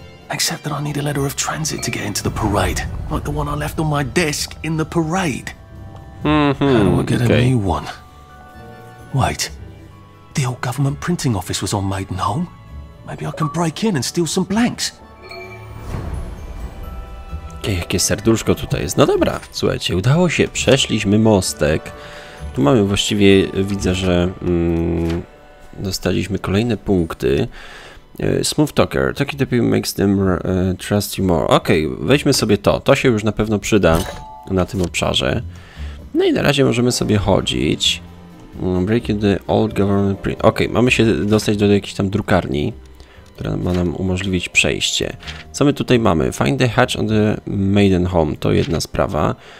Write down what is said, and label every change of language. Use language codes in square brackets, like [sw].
[en] Except that I need a letter of transit to get into the parade, like the one I left on my desk in the parade. Mm-hmm. How do I get a new one? Wait, the old government printing office was on Maidenholm. Maybe I can break in and steal some blanks. [pl] Jakie serduszko tutaj jest. No dobra, słuchajcie, udało się, przeszliśmy mostek. Tu mamy właściwie, widzę, że dostaliśmy kolejne punkty. [en] Smooth talker, talking to people makes them trust you more. [pl] Okej, weźmy sobie to, to się już na pewno przyda na tym obszarze. No i na razie możemy sobie chodzić. [en] Breaking the old government print. [pl] Okej, mamy się dostać do jakiejś tam drukarni, która ma nam umożliwić przejście. Co my tutaj mamy? [en] Find the hatch on the Maidenholm, [pl] to jedna sprawa.